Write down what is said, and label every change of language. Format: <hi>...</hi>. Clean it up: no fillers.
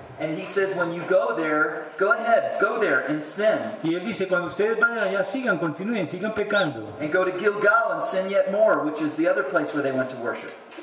<en>And he says, when you go there, go ahead, go there and sin.</en> <es>Y él dice, cuando ustedes vayan allá, sigan, continúen, sigan pecando.</es> <en>And go to Gilgal and sin yet more, which is the other place where they went to worship.</en>